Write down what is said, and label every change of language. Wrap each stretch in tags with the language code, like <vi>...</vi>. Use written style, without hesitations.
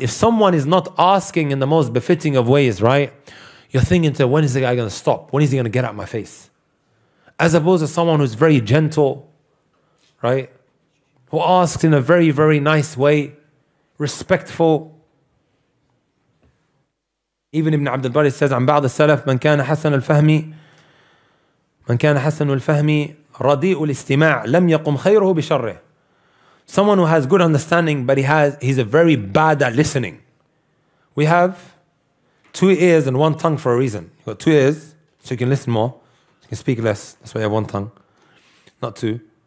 <en>If someone is not asking in the most befitting of ways, right, you're thinking to, when is the guy going to stop? When is he going to get out of my face? As opposed to someone who's very gentle, right, who asks in a very, very nice way, respectful. Even Ibn Abd al-Bari says,</en> <ar>عن بعض السلف من كان حسن الفهم من كان حسن الفهم رديء الاستماع لم يقم خيره بشره.</ar> <en>Someone who has good understanding, but he's a very bad at listening. We have two ears and one tongue for a reason. You got two ears, so you can listen more. You can speak less. That's why you have one tongue, not two.</en>